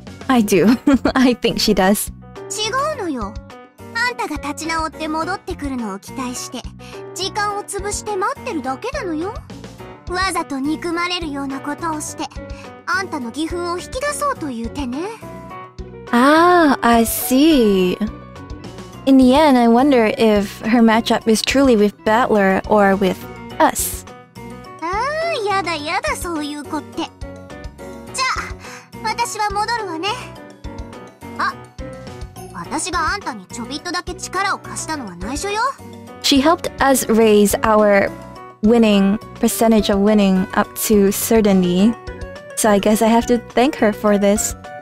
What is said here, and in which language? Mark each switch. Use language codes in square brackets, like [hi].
[en] I do. I think she does. [ja] 違うのよ。あんたが立ち直って戻ってくるのを期待して時間を潰して待ってるだけなのよ。わざと憎まれるようなことをしてあんたの義憤を引き出そうという手ね。 [en] Ah, I see. In the end, I wonder if her matchup is truly with Battler or with us. [ja] やだやだそういう子って。じゃあ私は戻るわね。あ、私があんたにちょびっとだけ力を貸したのは内緒よ。 [en] She helped us raise our winning percentage of winning up to certainty, so I guess I have to thank her for this.